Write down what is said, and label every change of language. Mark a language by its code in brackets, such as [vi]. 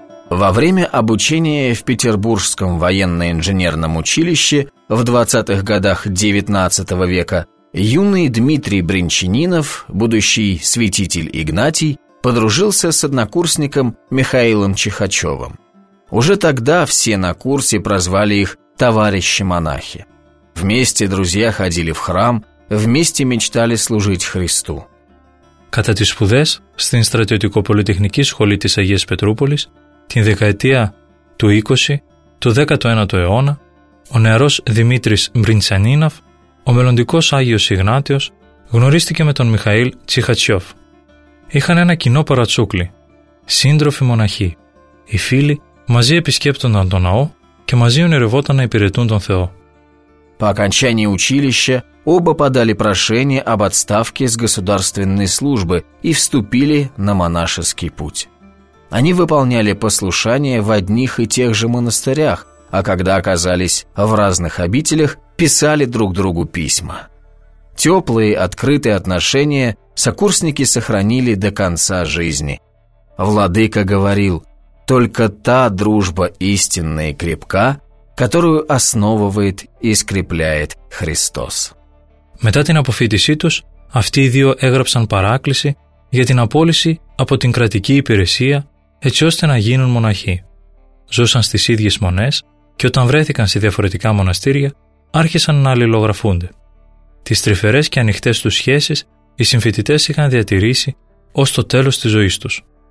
[ru] Во время обучения в Петербургском военно-инженерном училище в 20-х годах XIX века юный Дмитрий Брянчанинов, будущий святитель Игнатий, подружился с однокурсником Михаилом Чихачевым. Уже тогда все на курсе прозвали их «товарищи-монахи». Вместе друзья ходили в храм, вместе мечтали служить Христу. [el] Κατά τις σπουδές στην Στρατιωτικο-Πολυτεχνική Σχολή της Αγίας Πετρούπολης, την δεκαετία του 20, του 19ου αιώνα, ο νεαρός Δημήτρης Μπριντσανίναφ, ο μελλοντικός Άγιος Ιγνάτιος, γνωρίστηκε με τον Μιχαήλ Τσιχατσιόφ. Είχαν ένα κοινό παρατσούκλι, σύντροφοι μοναχοί. Οι φίλοι μαζί επισκέπτονταν τον ναό και μαζί ονειρευόταν να υπηρετούν τον Θεό. [ru] По окончании училища оба подали прошение об отставке с государственной службы и вступили на монашеский путь. Они выполняли послушание в одних и тех же монастырях, а когда оказались в разных обителях, писали друг другу письма. Теплые, открытые отношения сокурсники сохранили до конца жизни. Владыка говорил: «Только та дружба истинная и крепка, которую основывает и скрепляет Христос». [el] Μετά την αποφοίτησή τους, αυτοί οι δύο έγραψαν παράκληση για την απόλυση από την κρατική υπηρεσία, έτσι ώστε να γίνουν μοναχοί. Ζούσαν στις ίδιες μονές και όταν βρέθηκαν σε διαφορετικά μοναστήρια, άρχισαν να αλληλογραφούνται. Τις τρυφερές και ανοιχτές τους σχέσεις οι συμφοιτητές είχαν διατηρήσει ως το τέλος της ζωής τους.